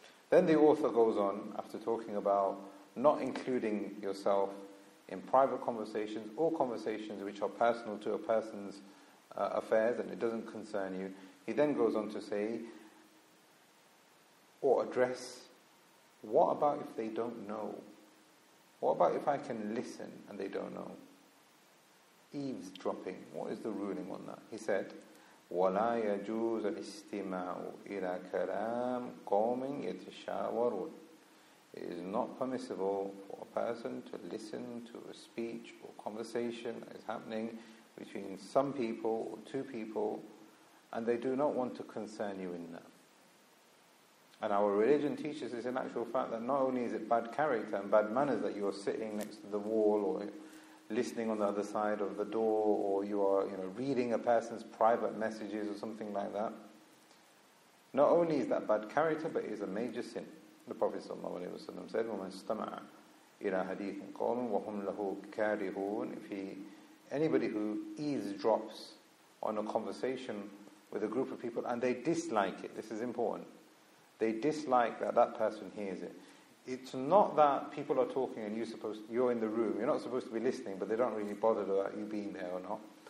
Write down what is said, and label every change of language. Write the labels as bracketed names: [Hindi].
[English] Then the author goes on, after talking about not including yourself in private conversations or conversations which are personal to a person's affairs and it doesn't concern you, he then goes on to say, or address, what about if they don't know? What about if I can listen and they don't know? Eavesdropping, what is the ruling on that? [Arabic] He said, وَلَا يَجُوزَ الْإِسْتِمَاعُ إِلَىٰ كَلَامٍ قَوْمٍ يَتَشَاوَرُونَ. [English] It is not permissible for a person to listen to a speech or conversation that is happening between some people or two people, and they do not want to concern you in that. And our religion teaches us in actual fact that not only is it bad character and bad manners that you are sitting next to the wall or listening on the other side of the door, or you are, you know, reading a person's private messages or something like that. Not only is that bad character, but it is a major sin. [Arabic] The Prophet ﷺ said, وَمَنْ اسْتَمَعَ إِلَىٰ حَدِيثٍ قَوْمٍ وَهُمْ لَهُ كَارِهُونَ. [English] If he, anybody who eavesdrops on a conversation with a group of people and they dislike it, this is important, they dislike that that person hears it. It's not that people are talking and you're in the room, you're not supposed to be listening, but they don't really bother about you being there or not.